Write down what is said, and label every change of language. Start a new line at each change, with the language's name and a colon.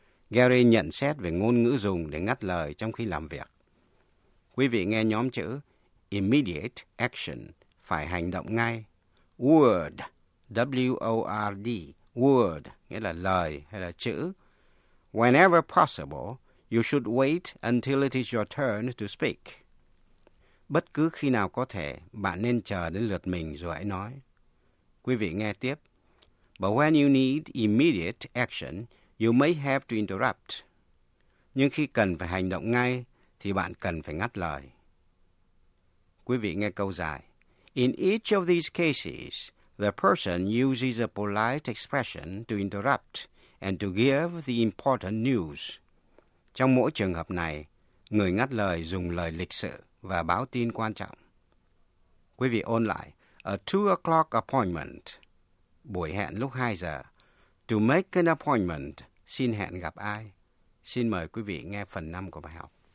Vietnamese: Gary nhận xét về ngôn ngữ dùng để ngắt lời trong khi làm việc. Quý vị nghe nhóm chữ
English: immediate action,
Vietnamese: phải hành động ngay. Word, W-O-R-D, word, nghĩa là lời hay là chữ.
English: Whenever possible, you should wait until it is your turn to speak.
Vietnamese: Bất cứ khi nào có thể, bạn nên chờ đến lượt mình rồi hãy nói. Quý vị nghe tiếp.
English: But when you need immediate action, you may have to interrupt.
Vietnamese: Nhưng khi cần phải hành động ngay, thì bạn cần phải ngắt lời. Quý vị nghe câu dài.
English: In each of these cases, the person uses a polite expression to interrupt and to give the important news.
Vietnamese: Trong mỗi trường hợp này, người ngắt lời dùng lời lịch sự và báo tin quan trọng. Quý vị ôn lại.
English: A 2 o'clock appointment.
Vietnamese: Buổi hẹn lúc 2 giờ.
English: To make an appointment.
Vietnamese: Xin hẹn gặp ai? Xin mời quý vị nghe phần 5 của bài học.